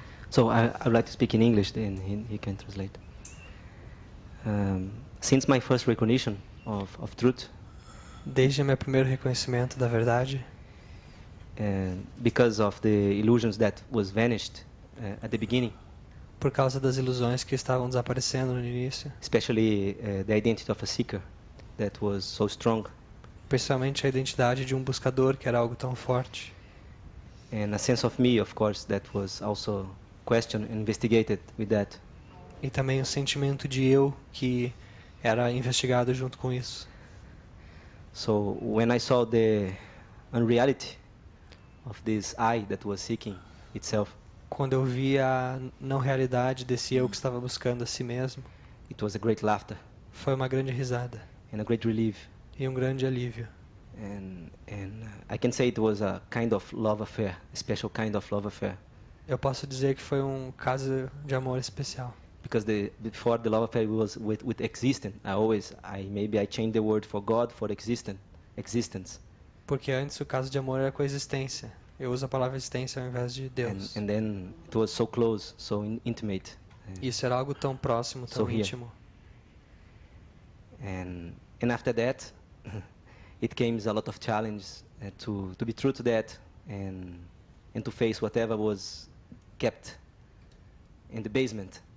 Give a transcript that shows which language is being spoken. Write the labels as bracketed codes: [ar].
[en] So I would like to speak in English, then he can translate. Since my first recognition of truth. [pt] Desde meu primeiro reconhecimento da verdade. [en] Because of the illusions that was vanished at the beginning. [pt] Por causa das ilusões que estavam desaparecendo no início. [en] Especially the identity of a seeker that was so strong. [pt] Especialmente a identidade de um buscador que era algo tão forte. [en] And a sense of me, of course, that was also questioned and investigated with that. [pt] E também o sentimento de eu que era investigado junto com isso. [en] So when I saw the unreality of this I that was seeking itself. [pt] Quando eu vi a não realidade desse eu que estava buscando a si mesmo, [en] it was a great laughter. [pt] Foi uma grande risada. [en] And a great relief. [pt] E um grande alívio. [en] And I can say it was a kind of love affair, a special kind of love affair. [pt] Eu posso dizer que foi um caso de amor especial. [en] Because before the love affair was with existence, I changed the word for God for existence. [pt] Porque antes o caso de amor era com a existência. Eu uso a palavra existência ao invés de Deus. [en] And then it was so close, so intimate. [pt] Isso era algo tão próximo, tão íntimo. [en] And after that, it came a lot of challenges to be true to that and to face whatever was kept in the basement.